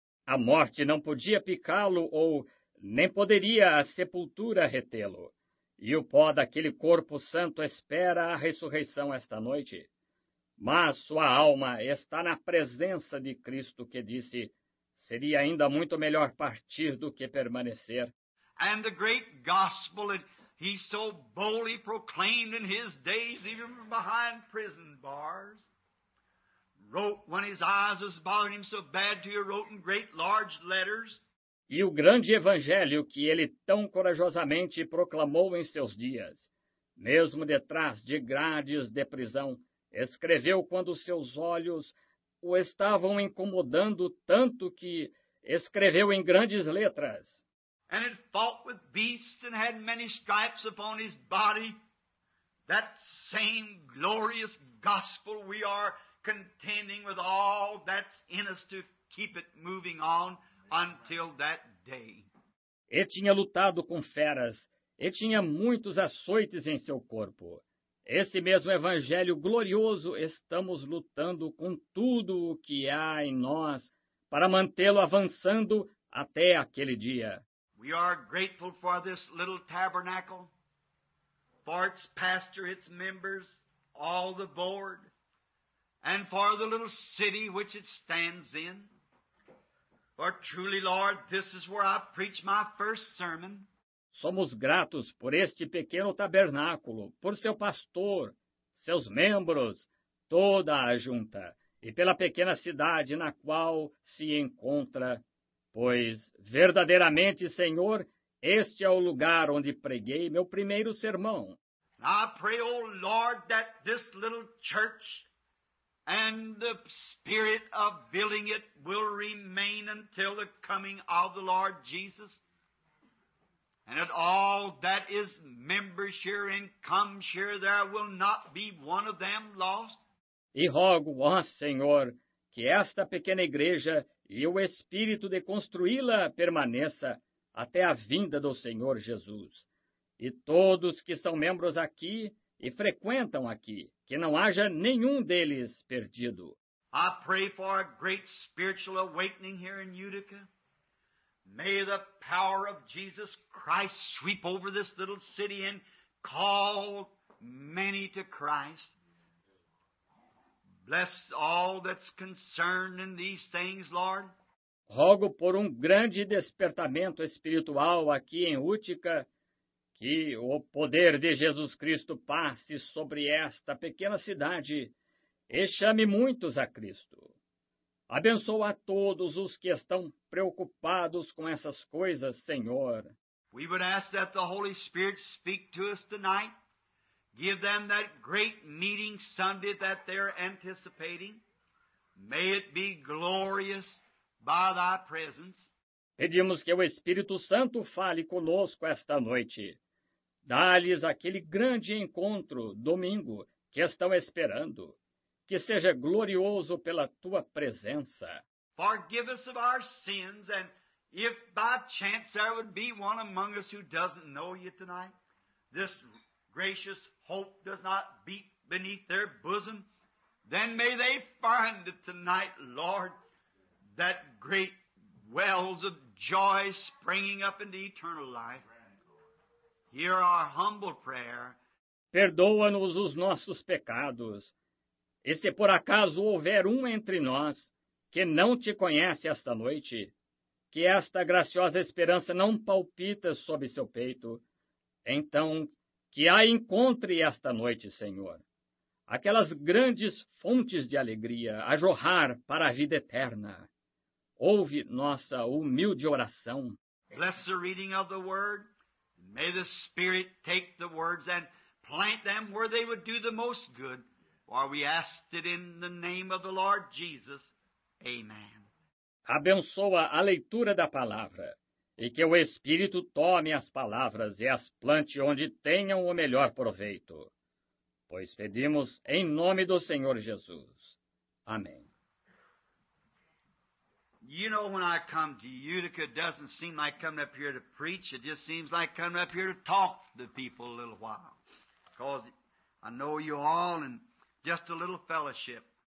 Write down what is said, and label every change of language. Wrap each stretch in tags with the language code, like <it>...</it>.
<pt>A morte não podia picá-lo, ou nem poderia a sepultura retê-lo. E o pó daquele corpo santo espera a ressurreição esta noite. Mas sua alma está na presença de Cristo, que disse, seria ainda muito melhor partir do que permanecer.</pt> <en>And the great gospel that he so boldly proclaimed in his days, even behind prison bars, wrote when his eyes was bothering him so bad to you, wrote in great large letters.</en> <pt>E o grande evangelho que ele tão corajosamente proclamou em seus dias, mesmo detrás de grades de prisão, escreveu quando seus olhos o estavam incomodando tanto que escreveu em grandes letras.</pt> <en>And had fought with beasts and had many stripes upon his body. That same glorious gospel we are contending with all that's in us to keep it moving on until that day.</en> <pt>E tinha lutado com feras, e tinha muitos açoites em seu corpo. Esse mesmo evangelho glorioso estamos lutando com tudo o que há em nós para mantê-lo avançando até aquele dia.</pt> <en>We are grateful for this little tabernacle, for its pastor, its members, all the board, and for the little city which it stands in. For truly, Lord, this is where I preach my first sermon.</en> <pt>Somos gratos por este pequeno tabernáculo, por seu pastor, seus membros, toda a junta, e pela pequena cidade na qual se encontra. Pois, verdadeiramente, Senhor, este é o lugar onde preguei meu primeiro sermão.</pt> <en>I pray, O Lord, that this little church and the spirit of building it will remain until the coming of the Lord Jesus. And that all that is members here and comes here, there will not be one of them lost.</en> <pt>E rogo, ó Senhor, que esta pequena igreja e o espírito de construí-la permaneça até a vinda do Senhor Jesus. E todos que são membros aqui e frequentam aqui, que não haja nenhum deles perdido.</pt> <en>I pray for a great spiritual awakening here in Utica. May the power of Jesus Christ sweep over this little city and call many to Christ. Bless all that's concerned in these things, Lord.</en> <pt>Rogo por grande despertamento espiritual aqui em Utica, que o poder de Jesus Cristo passe sobre esta pequena cidade e chame muitos a Cristo. Abençoa a todos os que estão preocupados com essas coisas, Senhor.</pt> <en>We would ask that the Holy Spirit speak to us tonight. Give them that great meeting Sunday that they're anticipating. May it be glorious by thy presence.</en> <pt>Pedimos que o Espírito Santo fale conosco esta noite. Dá-lhes aquele grande encontro, domingo, que estão esperando. Que seja glorioso pela tua presença.</pt> <en>Forgive us of our sins, and if by chance there would be one among us who doesn't know you tonight, this gracious hope does not beat beneath their bosom, then may they find it tonight, Lord, that great wells of joy springing up into eternal life. Hear our humble prayer.</en> <pt>Perdoa-nos os nossos pecados. E se por acaso houver entre nós que não te conhece esta noite, que esta graciosa esperança não palpita sob seu peito, então que a encontre esta noite, Senhor, aquelas grandes fontes de alegria a jorrar para a vida eterna. Ouve nossa humilde oração.</pt> <en>Bless the reading of the word. May the Spirit take the words and plant them where they would do the most good. For we ask it in the name of the Lord Jesus. Amen.</en> <pt>Abençoa a leitura da palavra. E que o Espírito tome as palavras e as plante onde tenham o melhor proveito. Pois pedimos em nome do Senhor Jesus. Amém.</pt> <en>You know, when I come to Utica, it doesn't seem like coming up here to preach. It just seems like coming up here to talk to people a little while. Because I know you all and just a little fellowship.</en>